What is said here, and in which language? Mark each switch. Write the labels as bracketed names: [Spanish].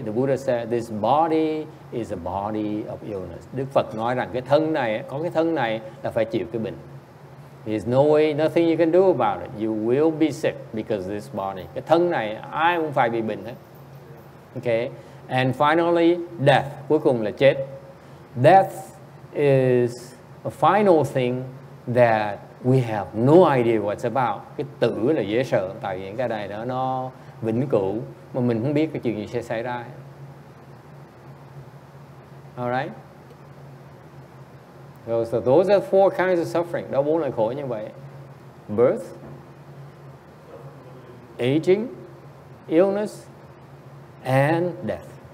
[English] The Buddha said this body is a body of illness. [Vietnamese] Đức Phật nói rằng cái thân này, có cái thân này là phải chịu cái bệnh. [English] There's no way, nothing you can do about it. You will be sick because of this body. [Vietnamese] Cái thân này ai cũng phải bị bệnh hết. [English] Okay. And finally, death. [Vietnamese] Cuối cùng là chết. [English] Death is a final thing that we have no idea what's about. [Vietnamese] Cái tử là dễ sợ. Tại vì cái này đó nó vĩnh cửu mà mình không biết cái chuyện gì sẽ xảy ra. [English] All right. So those are four kinds of suffering. [Vietnamese] Đó bốn loại khổ như vậy. [English] Birth, aging, illness, and death.